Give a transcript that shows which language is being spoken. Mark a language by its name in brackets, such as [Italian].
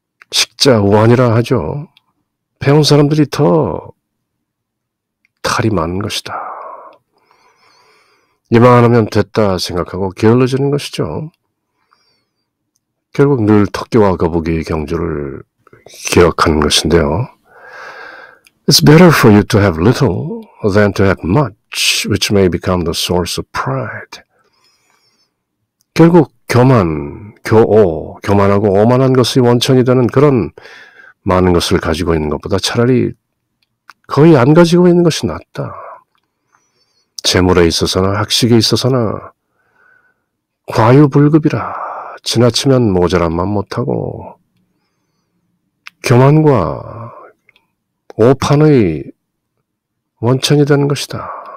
[Korean] 식자 우환이라 하죠. 배운 사람들이 더 탈이 많은 것이다. 이만하면 됐다 생각하고 게을러지는 것이죠. 결국 늘 토끼와 거북이의 경주를 기억하는 것인데요. [English] It's better for you to have little than to have much, which may become the source of pride. [Korean] 결국 교만, 교오, 교만하고 오만한 것이 원천이 되는 그런 많은 것을 가지고 있는 것보다 차라리 거의 안 가지고 있는 것이 낫다. 재물에 있어서나 학식에 있어서나 과유불급이라 지나치면 모자란 맘 못하고 교만과 오판의 원천이 되는 것이다.